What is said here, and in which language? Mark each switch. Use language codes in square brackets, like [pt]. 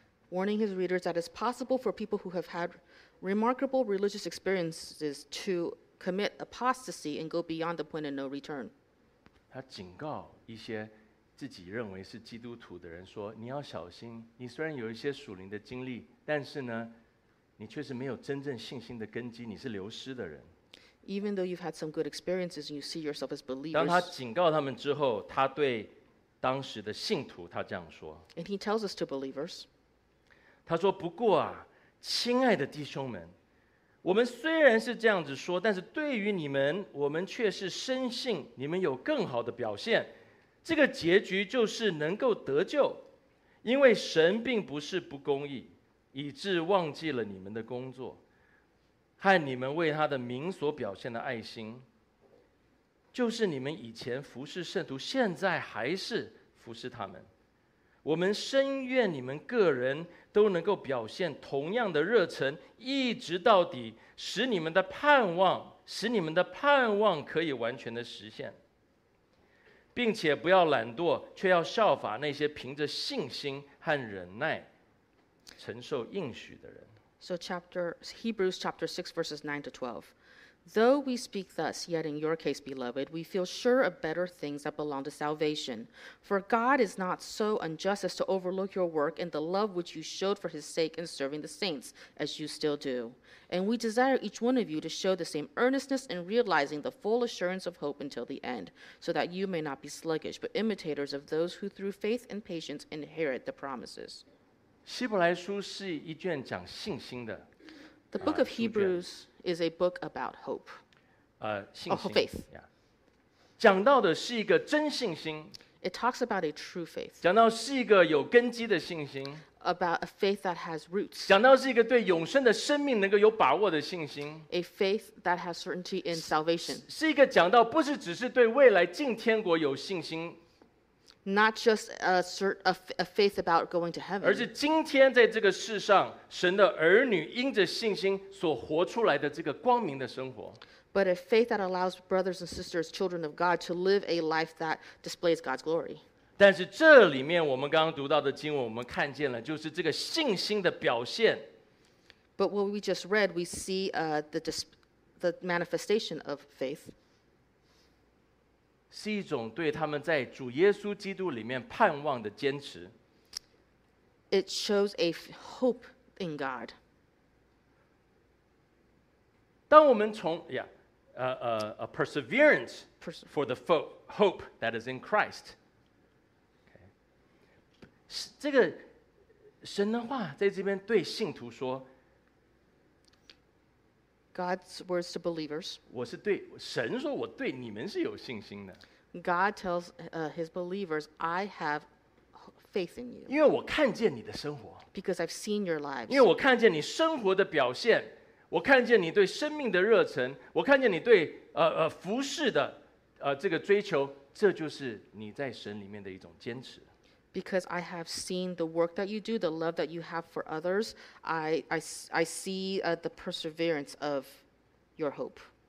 [en] Warning his readers that it's possible for people who have had. Remarkable religious experiences to commit apostasy and go beyond the point of no return. [zh] 他警告一些自己认为是基督徒的人说：“你要小心，你虽然有一些属灵的经历，但是呢，你却是没有真正信心的根基，你是流失的人。” [en] Even though you've had some good experiences and you see yourself as believers, [zh] 当他警告他们之后，他对当时的信徒他这样说 [en] ：“And he tells us to believers. [zh] 他说：不过啊。” 亲爱的弟兄们，我们虽然是这样子说，但是对于你们，我们却是深信你们有更好的表现，这个结局就是能够得救，因为神并不是不公义，以致忘记了你们的工作和你们为他的名所表现的爱心，就是你们以前服侍圣徒，现在还是服侍他们。我们深愿你们个人都能够表现同样的热忱，一直到底，使你们的盼望，使你们的盼望可以完全的实现。并且不要懒惰，却要效法那些凭着信心和忍耐承受应许的人。 [en] So Hebrews 6:9-12. Though we speak thus, yet in your case, beloved, we feel sure of better things that belong to salvation. For God is not so unjust as to overlook your work and the love which you showed for his sake in serving the saints, as you still do. And we desire each one of you to show the same earnestness in realizing the full assurance of hope until the end, so that you may not be sluggish, but imitators of those who through faith and patience inherit the promises. [zh] 希伯来书是一卷讲信心的。 [en] The book of Hebrews is a book about hope. [zh] 信心。 [en] Oh, faith. [zh] Yeah. 讲到的是一个真信心。 [en] It talks about a true faith. [zh] 讲到是一个有根基的信心。 [en] About a faith that has roots. [zh] 讲到是一个对永生的生命能够有把握的信心。 [en] A faith that has certainty in salvation. [zh] 是一个讲到不是只是对未来进天国有信心。 [en] Not just a faith about going to heaven. [zh] 而是今天在这个世上，神的儿女因着信心所活出来的这个光明的生活。 [en] But a faith that allows brothers and sisters, children of God, to live a life that displays God's glory. [zh] 但是这里面我们刚刚读到的经文，我们看见了就是这个信心的表现。 [en] But what we just read, we see the manifestation of faith. [zh] 是一种对他们在主耶稣基督里面盼望的坚持。 [en] It shows a hope in God. [zh] 当我们从 [en] perseverance for the hope that is in Christ. Okay. [zh] 这个神的话在这边对信徒说。 [en] God's words to believers. [zh] 我是对神说，我对你们是有信心的。 [en] God tells his believers, I have faith in you. [zh] 因为我看见你的生活。 [en] Because I've seen your lives. [zh] 因为我看见你生活的表现，我看见你对生命的热忱，我看见你对服事的这个追求，这就是你在神里面的一种坚持。 [en] Because I have seen the work that you do, the love that you have for others, I see the perseverance of your hope.